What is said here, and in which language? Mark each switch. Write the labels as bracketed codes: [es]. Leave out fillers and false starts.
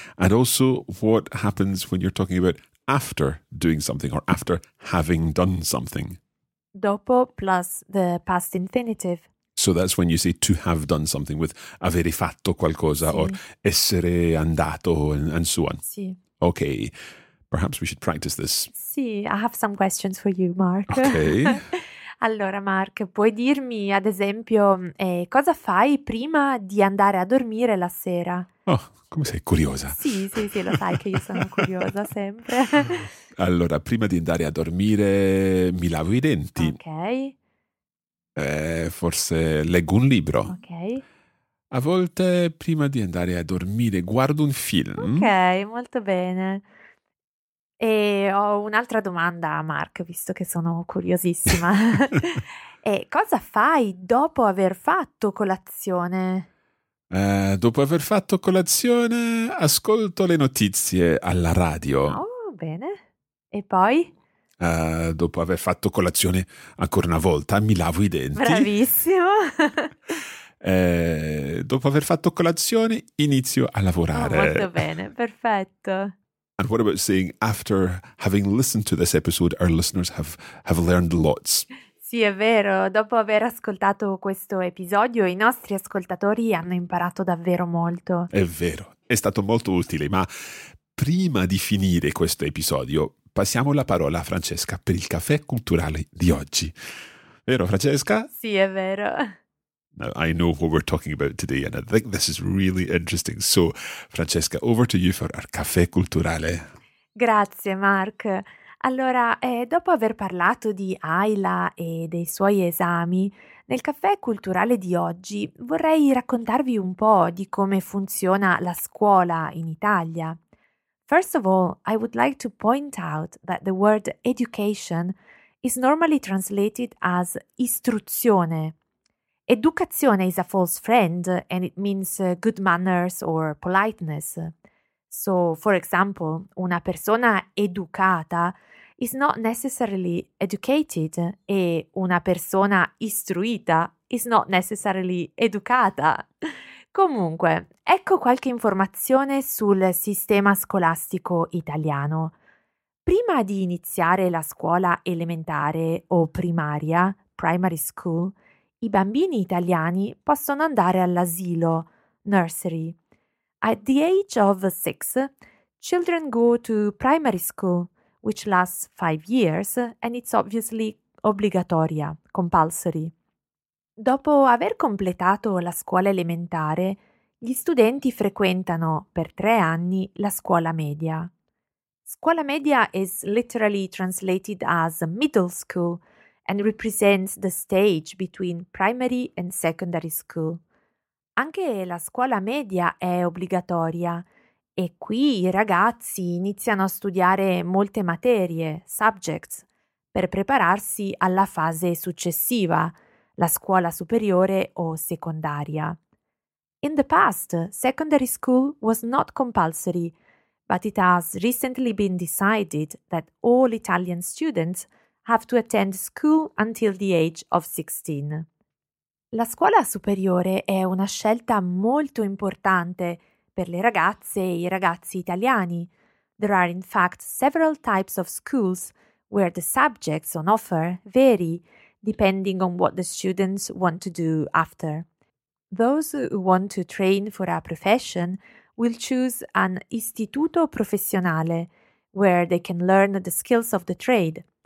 [en] And also what happens when you're talking about after doing something or after having done something. Dopo plus the past infinitive. So that's when you say to have done something with [it] avere fatto qualcosa, [en] sì, or [it] essere andato [en] and so on. [it] Sì. [en] Okay. Perhaps we should practice this. Sì, I have some questions for you, Mark. Okay. [it] Allora, Mark, puoi dirmi, ad esempio, cosa fai prima di andare a dormire la sera? Oh, come sei curiosa. Sì, sì, sì, lo sai che io sono curiosa sempre. Allora, prima di andare a dormire mi lavo i denti. Ok. Forse leggo un libro. Ok. A volte, prima di andare a dormire, guardo un film. Ok, molto bene. E ho un'altra domanda, Mark, visto che sono curiosissima. E cosa fai dopo aver fatto colazione? Dopo aver fatto colazione ascolto le notizie alla radio. Oh, bene. E poi? Dopo aver fatto colazione ancora una volta mi lavo i denti. Bravissimo. Dopo aver fatto colazione inizio a lavorare. Oh, molto bene, perfetto. [en] And what about saying, after having listened to this episode, our listeners have learned lots? [it] Sì, è vero. Dopo aver ascoltato questo episodio, i nostri ascoltatori hanno imparato davvero molto. È vero. È stato molto utile. Ma prima di finire questo episodio, passiamo la parola a Francesca per il caffè culturale di oggi. Vero, Francesca? Sì, è vero. [en] Now, I know what we're talking about today, and I think this is really interesting. So, Francesca, over to you for our caffè culturale. [it] Grazie, Mark. Allora, dopo aver parlato di Ayla e dei suoi esami, nel caffè culturale di oggi vorrei raccontarvi un po' di come funziona la scuola in Italia. [en] First of all, I would like to point out that the word education is normally translated as istruzione. Educazione is a false friend and it means good manners or politeness. So, for example, [it] una persona educata [en] is not necessarily educated [it] e una persona istruita [en] is not necessarily educata. [it] Comunque, ecco qualche informazione sul sistema scolastico italiano. Prima di iniziare la scuola elementare o primaria, primary school, i bambini italiani possono andare all'asilo, nursery. [en] At the age of 6, children go to primary school, which lasts 5 years, and it's obviously obbligatoria, compulsory. [it] Dopo aver completato la scuola elementare, gli studenti frequentano per 3 anni la scuola media. [en] Scuola media is literally translated as middle school and represents the stage between primary and secondary school. [it] Anche la scuola media è obbligatoria e qui i ragazzi iniziano a studiare molte materie, subjects, per prepararsi alla fase successiva, la scuola superiore o secondaria. [en] In the past, secondary school was not compulsory, but it has recently been decided that all Italian students have to attend school until the age of 16. [it] La scuola superiore è una scelta molto importante per le ragazze e i ragazzi italiani. [en] There are in fact several types of schools where the subjects on offer vary depending on what the students want to do after. Those who want to train for a profession will choose an istituto professionale where they can learn the skills of the trade.